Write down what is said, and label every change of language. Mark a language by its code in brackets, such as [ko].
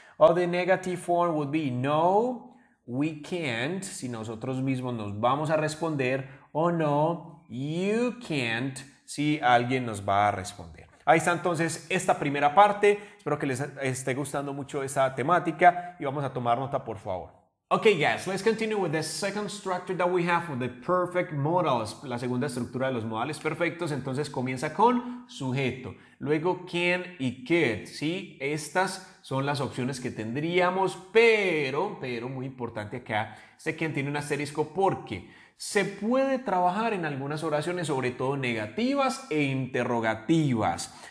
[en] O the negative form would be no, we can't, [es] si nosotros mismos nos vamos a responder. O [en] no, you can't, [es] si alguien nos va a responder. Ahí está entonces esta primera parte. Espero que les esté gustando mucho esta temática y vamos a tomar nota, por favor. [en] Okay, guys, let's continue with the second structure that we have for the perfect modals. [es] La segunda estructura de los modales perfectos, entonces comienza con sujeto. Luego, can y could. Sí, estas son las opciones que tendríamos, pero, muy importante acá, este can tiene un asterisco porque se puede trabajar en algunas oraciones, sobre todo negativas e interrogativas.